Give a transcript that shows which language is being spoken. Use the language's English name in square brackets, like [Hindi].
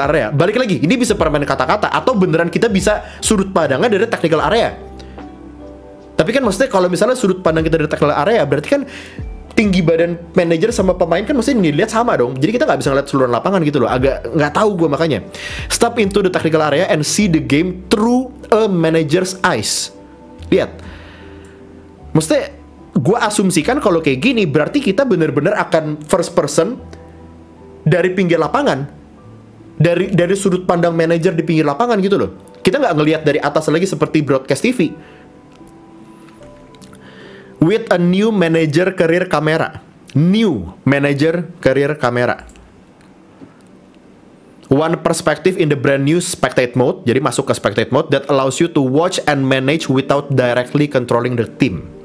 [Indonesian] Balik lagi, ini bisa permainan kata-kata atau beneran kita bisa sudut pandangnya dari technical area. Tapi kan maksudnya kalau misalnya sudut pandang kita dari technical area, berarti kan tinggi badan manajer sama pemain kan maksudnya dilihat sama dong. Jadi kita nggak bisa ngeliat seluruh lapangan gitu loh. Agak nggak tahu gue makanya. [English] Step into the technical area and see the game through a manager's eyes. [Indonesian] Lihat. Maksudnya gue asumsikan kalau kayak gini, berarti kita benar-benar akan first person dari pinggir lapangan, dari sudut pandang manajer di pinggir lapangan gitu loh. Kita nggak ngelihat dari atas lagi seperti broadcast TV. [English] With a new manager career camera, one perspective in the brand new spectate mode. [Indonesian] Jadi masuk ke [English] spectate mode that allows you to watch and manage without directly controlling the team.